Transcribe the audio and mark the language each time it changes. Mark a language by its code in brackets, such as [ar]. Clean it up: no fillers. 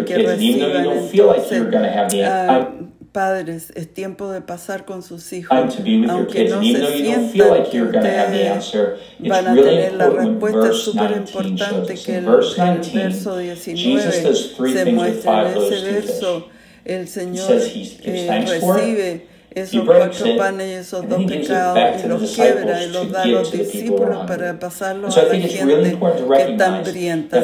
[en] Parents, build time to be with your kids, even though you don't feel like you're going to have the [es] padres, es tiempo de pasar con sus hijos. [en] Time to be with your kids, even though you don't feel like you're going to have the answer. [es] Van a tener la respuesta, es súper importante que el verso 19 se muestre en ese verso. El Señor recibe esos cuatro panes y esos dos pecados y los quiebra y los da a los discípulos para pasarlos a la gente que está hambrienta.